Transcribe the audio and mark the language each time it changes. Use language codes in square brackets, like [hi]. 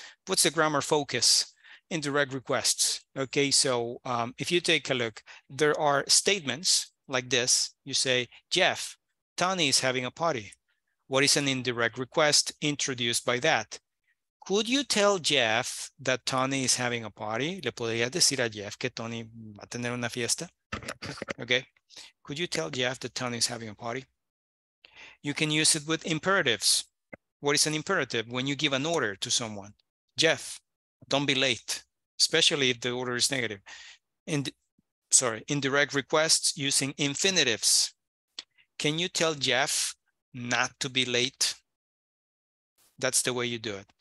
[en] What's the grammar focus? Indirect requests. Okay, so if you take a look, there are statements like this. You say, Jeff, Tony is having a party. What is an indirect request introduced by that? Could you tell Jeff that Tony is having a party? [es] ¿Le podría decir a Jeff que Tony va a tener una fiesta? [en] Okay. Could you tell Jeff that Tony is having a party? You can use it with imperatives. What is an imperative? When you give an order to someone. Jeff, don't be late, especially if the order is negative. Indirect requests using infinitives. Can you tell Jeff not to be late? That's the way you do it.